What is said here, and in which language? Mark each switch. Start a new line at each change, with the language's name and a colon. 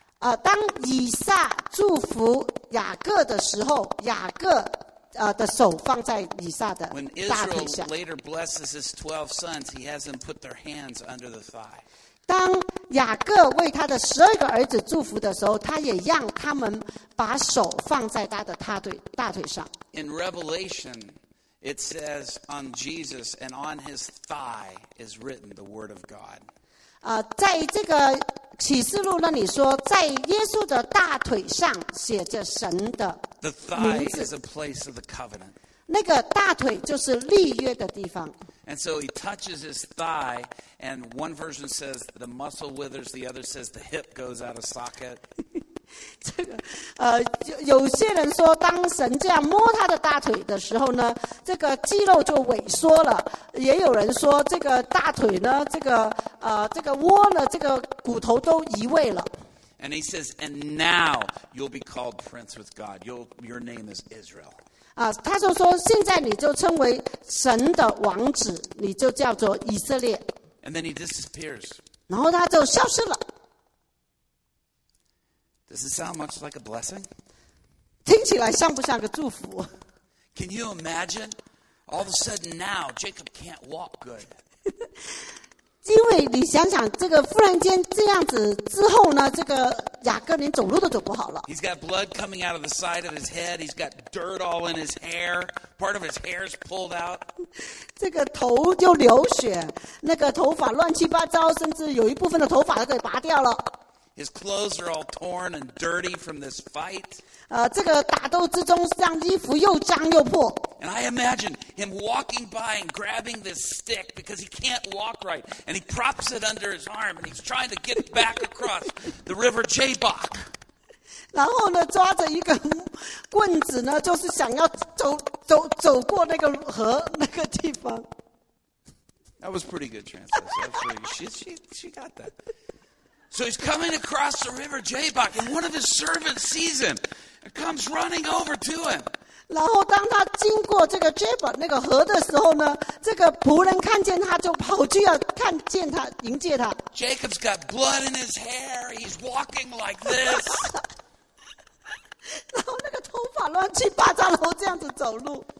Chinese: 当以撒祝福雅各的时候，雅各的手放在以撒的大腿下。
English: When Israel later blesses his 12 sons, he has them put their hands under the thigh.
Chinese: 当雅各为他的十二个儿子祝福的时候，他也让他们把手放在他的大腿上。
English: In Revelation, it says on Jesus and on his thigh is written the word of God.
Chinese: 在这个启示录那里说，在耶稣的大腿上写着神的名字。
English: The thigh is a place of the covenant.
Chinese: 那个大腿就是立约的地方。
English: And so he touches his thigh, and one version says the muscle withers, the other says the hip goes out of socket.
Chinese: 这个有些人说，当神这样摸他的大腿的时候呢，这个肌肉就萎缩了；也有人说，这个大腿呢，这个这个窝呢，这个骨头都移位了。
English: And he says, and now you'll be called Prince with God. Your name is Israel.
Chinese: 他就说，现在你就称为神的王子，你就叫做以色列。
English: And then he disappears.
Chinese: 然后他就消失了。
English: Does it sound much like a blessing?
Chinese: 听起来像不像个祝福？
English: Can you imagine? All of a sudden now, Jacob can't walk good.
Chinese: 因为你想想，这个忽然间这样子之后呢，这个雅各连走路都走不好了。
English: He's got blood coming out of the side of his head. He's got dirt all in his hair. Part of his hair is pulled out.
Chinese: 这个头就流血，那个头发乱七八糟，甚至有一部分的头发都给拔掉了。
English: His clothes are all torn and dirty from this fight.
Chinese: 这个打斗之中，让衣服又脏又破。
English: And I imagine him walking by and grabbing this stick because he can't walk right, and he props it under his arm and he's trying to get it back across the river Jabbok.
Chinese: 然后呢，抓着一根棍子呢，就是想要走过那个河那个地方。
English: That was pretty good translation. She got that. So he's coming across the river Jabbok, and one of his servants sees him and comes running over to him.
Chinese: 然后当他经过这个 Jabbok 那个河的时候呢，这个仆人看见他就跑去要看见他，迎接他。
English: Jacob's got blood in his hair. He's walking like this.
Chinese: 然后那个头发乱七八糟，然后这样子走路。